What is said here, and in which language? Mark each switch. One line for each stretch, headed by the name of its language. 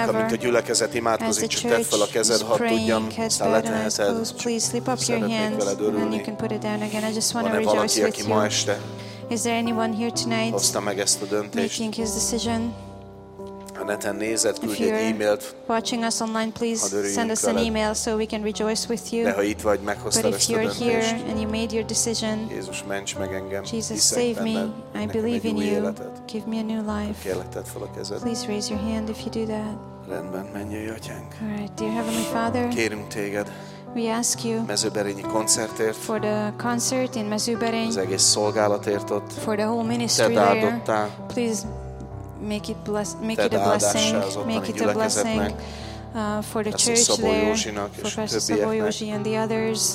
Hungarian: Kérlek, amint a gyülekezet imádkozik, csak tedd fel a kezed, ha tudjam, szeretnéhez.
English: Please slip up your hands and you can put it down again. I just want to rejoice with you.
Hungarian: Valaki, aki ma este.
English: Is there anyone here tonight?
Hungarian: Hozta meg ezt a döntést.
English: Making his decision.
Hungarian: Ha neten nézed, küldj egy e-mailt.
English: Watching us online, please send us an email so we can rejoice with you.
Hungarian: De ha itt vagy, meghoztad ezt a döntést.
English: But if you're here and you made your decision.
Hungarian: Jézus, ments meg engem.
English: Jesus, save me. I believe in you. Give me a new life.
Hungarian: Kérlek, tedd fel a kezed.
English: Please raise your hand if you do that.
Hungarian: Rendben, mennyei atyánk.
English: All right, dear Heavenly Father.
Hungarian: Kérünk téged.
English: We ask you
Hungarian: Mezőberényi koncertért,
English: for the concert in Mezőberény,
Hungarian: az egész szolgálatért ott,
English: for the whole ministry there.
Hungarian: Tedd áldottá,
English: please make it bless, make it a blessing, make it a blessing for the church there, for Pastor Szabó Józsi and the others,